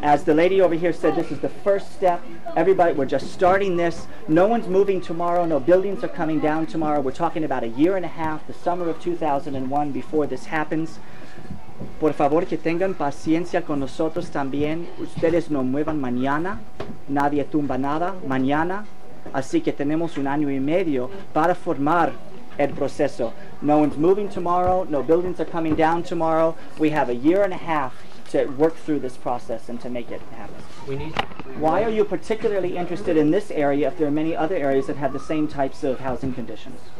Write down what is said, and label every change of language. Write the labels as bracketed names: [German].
[English] As the lady over here said, this is the first step. Everybody, we're just starting this. No one's moving tomorrow. No buildings are coming down tomorrow. We're talking about a year and a half, the summer of 2001, before this happens. [Spanish] Por favor, que tengan paciencia con nosotros también. Ustedes no muevan mañana. Nadie tumba nada mañana. Así que tenemos un año y medio para formar el proceso. [English] No one's moving tomorrow. No buildings are coming down tomorrow. We have a year and a half to work through this process and to make it happen. Why are you particularly interested in this area if there are many other areas that have the same types of housing conditions?